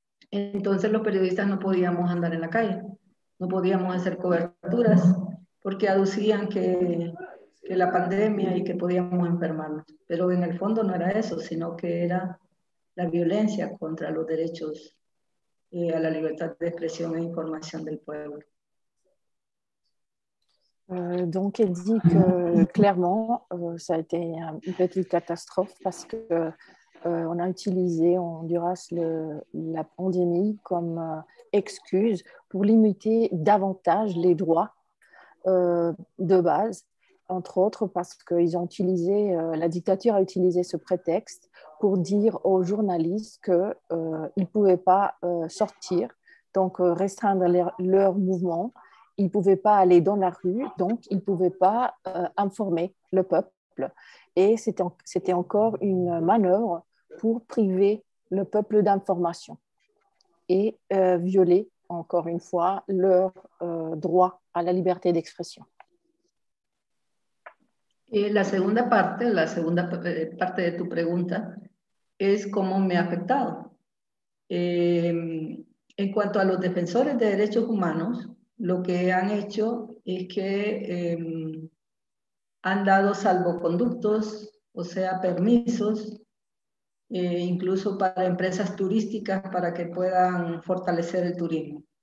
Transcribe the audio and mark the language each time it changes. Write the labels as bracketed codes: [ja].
[es] Entonces los periodistas no podíamos andar en la calle, no podíamos hacer coberturas, porque aducían que la pandemia y que podíamos enfermarnos. Pero en el fondo no era eso, sino que era la violencia contra los derechos a la libertad de expresión e información del pueblo. [fr] Donc, elle dit que clairement, ça a été une petite catastrophe parce que on a utilisé en Honduras la pandémie comme excuse pour limiter davantage les droits de base. Entre autres parce qu'ils ont utilisé, la dictature a utilisé ce prétexte pour dire aux journalistes qu'ils ne pouvaient pas sortir, donc restreindre leur mouvement, ils ne pouvaient pas aller dans la rue, donc ils ne pouvaient pas informer le peuple. Et c'était encore une manœuvre pour priver le peuple d'information et violer encore une fois leur droit à la liberté d'expression. [es] La segunda parte, de tu pregunta, es cómo me ha afectado. En cuanto a los defensores de derechos humanos, lo que han hecho es que han dado salvoconductos, o sea, permisos, incluso para empresas turísticas para que puedan fortalecer el turismo.